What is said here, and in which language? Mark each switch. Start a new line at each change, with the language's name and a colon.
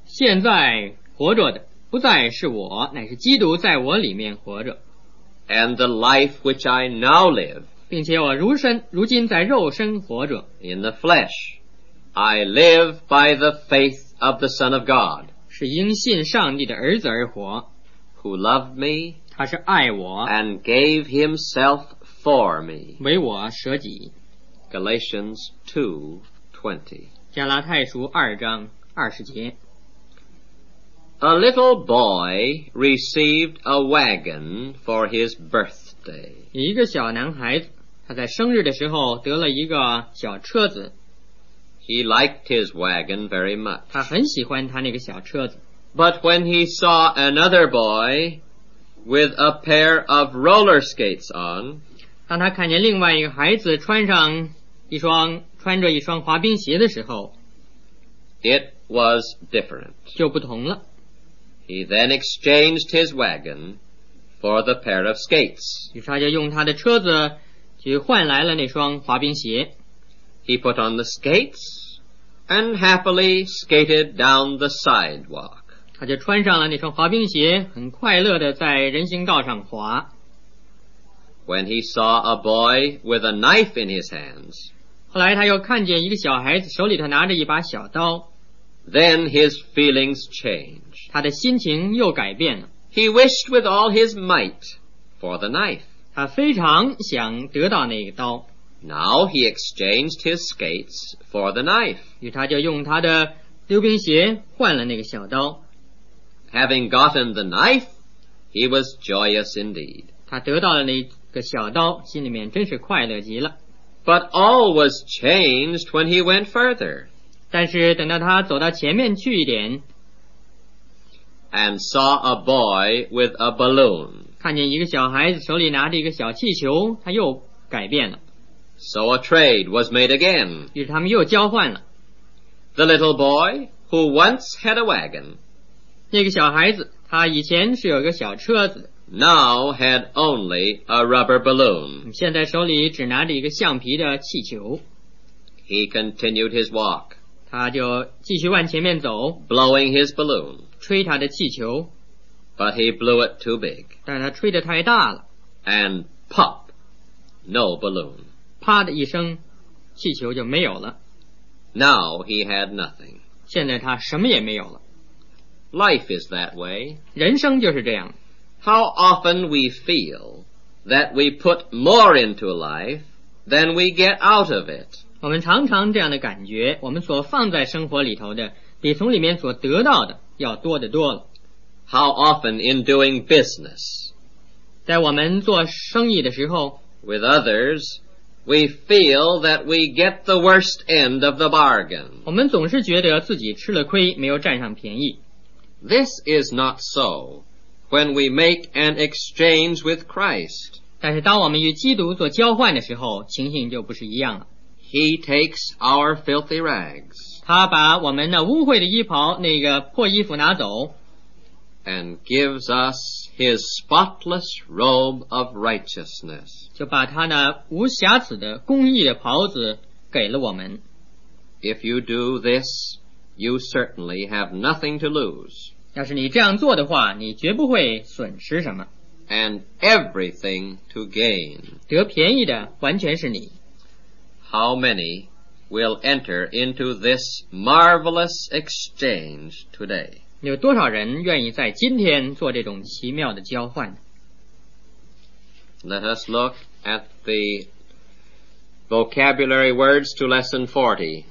Chinese: 现在活着的不再是我,乃是基督在我里面活着。
English: And the life which I now live,
Chinese: 并且我如今在肉身活着。
English: In the flesh, I live by the faith of the Son of God.
Chinese: 是因信上帝的儿子而活。
English: Who loved me,
Chinese: 他是爱我。
English: And gave himself for me.
Chinese: 为我舍己。
English: Galatians 2:20.
Chinese: 加拉太书二章二十节。
English: A little boy received a wagon for his birthday.
Chinese: 一个小男孩子他在生日的时候得了一个小车子。
English: He liked his wagon very much.
Chinese: 他很喜欢他那个小车子。
English: But when he saw another boy with a pair of roller skates on,
Chinese: 当他看见另外一个孩子穿着一双滑冰鞋的时候，
English: it was different.
Chinese: 就不同了。
English: He then exchanged his wagon for the pair of skates.
Chinese: 于是他就用他的车子去换来了那双滑冰鞋。
English: He put on the skates and happily skated down the sidewalk.
Chinese: 他就穿上了那双滑冰鞋，很快乐地在人行道上滑。
English: When he saw a boy with a knife in his hands,
Chinese: 后来他又看见一个小孩子手里头拿着一把小刀。
English: Then his feelings changed.
Chinese: 他的心情又改变了。
English: He wished with all his might for the knife.
Chinese: 他非常想得到那个刀。
English: Now he exchanged his skates for the knife.
Chinese: 于是他就用他的溜冰鞋换了那个小刀。
English: Having gotten the knife, he was joyous indeed.
Chinese: 他得到了那个小刀，心里面真是快乐极了。
English: But all was changed when he went further.
Chinese: 但是等到他走到前面去一点，
English: And saw a boy with a balloon.
Chinese: 看见一个小孩子手里拿着一个小气球，他又改变了。
English: So a trade was made again.
Chinese: 于是他们又交换了。
English: The little boy who once had a wagon.
Chinese: 那个小孩子，他以前是有个小车子。
English: Now had only a rubber balloon.
Chinese: 现在手里只拿着一个橡皮的气球。
English: He continued his walk.
Chinese: 他就继续往前面走，
English: blowing his balloon,
Chinese: 吹他的气球，
English: but he blew it too big,
Chinese: 但他吹得太大了，
English: and pop, no balloon,
Chinese: 啪的一声，气球就没有了。
English: Now he had nothing,
Chinese: 现在他什么也没有了。
English: Life is that way,
Chinese: 人生就是这样。
English: How often we feel that we put more into life than we get out of it?
Chinese: 我们常常这样的感觉，我们所放在生活里头的比从里面所得到的要多得多了。
English: How often in doing business,
Chinese: 在我们做生意的时候，
English: with others, we feel that we get the worst end of the bargain.
Chinese: 我们总是觉得自己吃了亏，没有占上便宜。
English: This is not so when we make an exchange with Christ.
Chinese: 但是当我们与基督做交换的时候，情形就不是一样了。
English: He takes our filthy rags.
Chinese: 他把我们那污秽的衣袍，那个破衣服拿走。
English: And gives us his spotless robe of righteousness.
Chinese: 就把他那无瑕疵的公义的袍子给了我们。
English: If you do this, you certainly have nothing to lose.
Chinese: 要是你这样做的话，你绝不会损失什么。
English: And everything to gain.
Chinese: 得便宜的完全是你。
English: How many will enter into this marvelous exchange today?
Chinese: 有多少人愿意在今天做这种奇妙的交换？
English: Let us look at the vocabulary words to lesson 40.